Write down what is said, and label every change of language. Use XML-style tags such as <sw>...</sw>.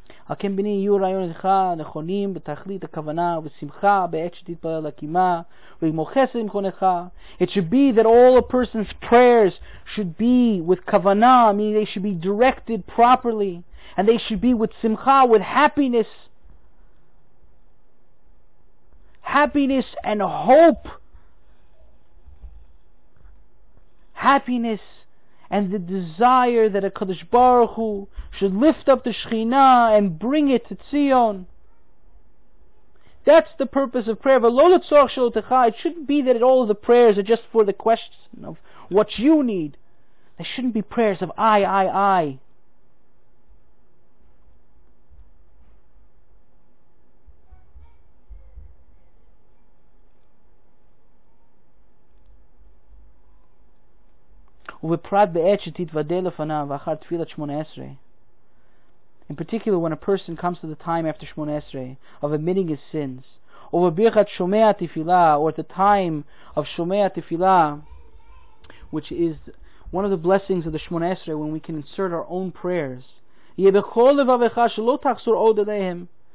<he>הקם בני יהיו רעיון לך נכונים בתכלית הכוונה ושמחה בעת שתתפלל לקימה ולגמור חסד עם כונך.</he> <en>It should be that all a person's prayers should be with kavana, meaning they should be directed properly, and they should be with simcha, with happiness. Happiness and hope. Happiness and the desire that HaKadosh Baruch Hu should lift up the Shekhinah and bring it to Tzion. That's the purpose of prayer. But</en> <he>lo letzorach shel otecha,</he> <en>it shouldn't be that all of the prayers are just for the question of what you need. There shouldn't be prayers of I.</en> <he>ובפרט בעת שתתוודא לפניו ואחר תפילת שמונה עשרה.</he> <en>In particular, when a person comes to the time after Shmoneh Esrei of admitting his sins, over birchat shomea tefillah, or at the time of shomea tefillah, which is one of the blessings of the Shmoneh Esrei, when we can insert our own prayers,</en> <he>yeh bechol levavecha shelo tachzur od aleihem.</he>